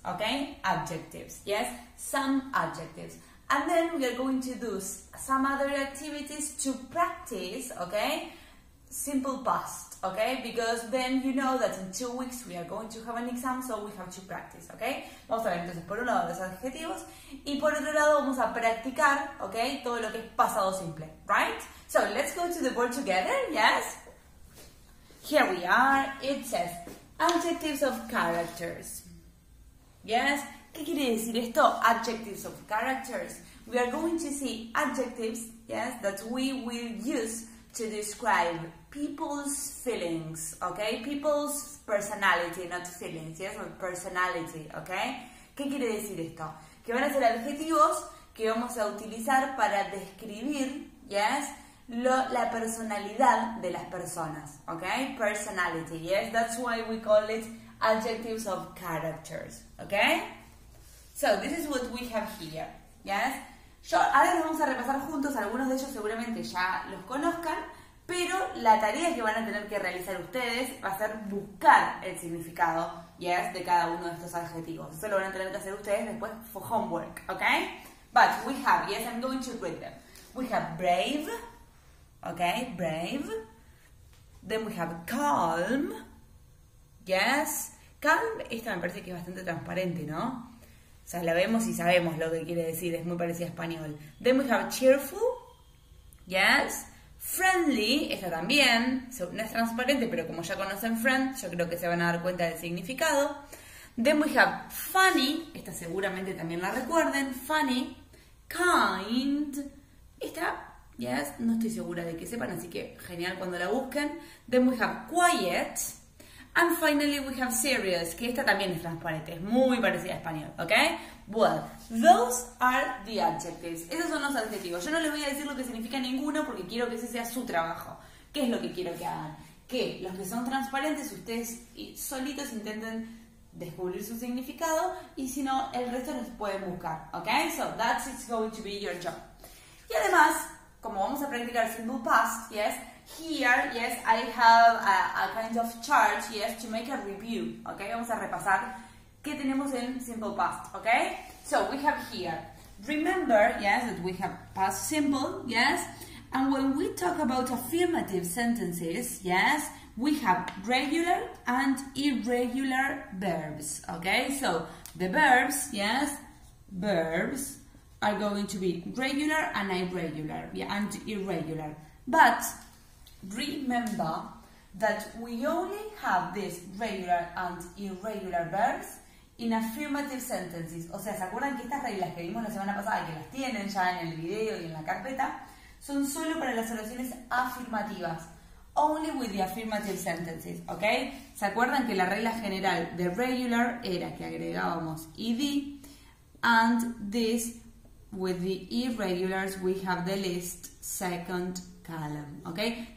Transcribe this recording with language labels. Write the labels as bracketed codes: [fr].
[en] Okay? Adjectives. Yes? Some adjectives. And then we are going to do some other activities to practice, okay? Simple past, okay? Because then you know that in 2 weeks we are going to have an exam, so we have to practice, okay? [es] Vamos a ver entonces por un lado los adjetivos y por otro lado vamos a practicar, okay? Todo lo que es pasado simple, right? [en] So let's go to the board together, yes? Here we are, it says adjectives of characters, yes? [es] ¿Qué quiere decir esto? [en] Adjectives of characters. We are going to see adjectives, yes, that we will use to describe people's feelings, okay? People's personality, not feelings, yes, but personality, okay? [es] ¿Qué quiere decir esto? Que van a ser adjetivos que vamos a utilizar para describir, yes, la personalidad de las personas, okay? [en] Personality, yes, that's why we call it adjectives of characters, okay? So, this is what we have here, yes? [es] Ahora los vamos a repasar juntos, algunos de ellos seguramente ya los conozcan, pero la tarea que van a tener que realizar ustedes va a ser buscar el significado, yes, de cada uno de estos adjetivos. Eso lo van a tener que hacer ustedes después [en] for homework, [es] ¿ok? [en] But we have, yes, I'm going to read them. We have brave, ¿ok? Brave. Then we have calm, yes. [es] Calm, esta me parece que es bastante transparente, ¿no? O sea, la vemos y sabemos lo que quiere decir. Es muy parecido a español. [en] Then we have cheerful. Yes. Friendly. [es] Esta también. So, no es transparente, pero como ya conocen friend, yo creo que se van a dar cuenta del significado. [en] Then we have funny. [es] Esta seguramente también la recuerden. Funny. [en] Kind. [es] Esta, yes, no estoy segura de que sepan, así que genial cuando la busquen. [en] Then we have quiet. And finally we have serious, [es] que esta también es transparente, es muy parecida a español, ¿ok? [en] Well, those are the adjectives. [es] Esos son los adjetivos. Yo no les voy a decir lo que significa ninguno porque quiero que ese sea su trabajo. ¿Qué es lo que quiero que hagan? Que los que son transparentes, ustedes solitos intenten descubrir su significado y si no, el resto los pueden buscar, ¿ok? [en] So, that's it's going to be your job. [es] Y además, como vamos a practicar [en] simple past, yes, here, yes, I have a kind of chart, yes, to make a review, okay? [es] Vamos a repasar qué tenemos en simple past, okay? [en] So, we have here, remember, yes, that we have past simple, yes? And when we talk about affirmative sentences, yes, we have regular and irregular verbs, okay? So, the verbs, yes, verbs are going to be regular and irregular, yeah, and irregular. But remember that we only have this regular and irregular verbs in affirmative sentences. [es] O sea, ¿se acuerdan que estas reglas que vimos la semana pasada, que las tienen ya en el video y en la carpeta, son solo para las oraciones afirmativas? [en] Only with the affirmative sentences, ¿ok? [es] ¿Se acuerdan que la regla general de regular era que agregábamos [en] ed and this with the irregulars we have the list second column, ¿ok?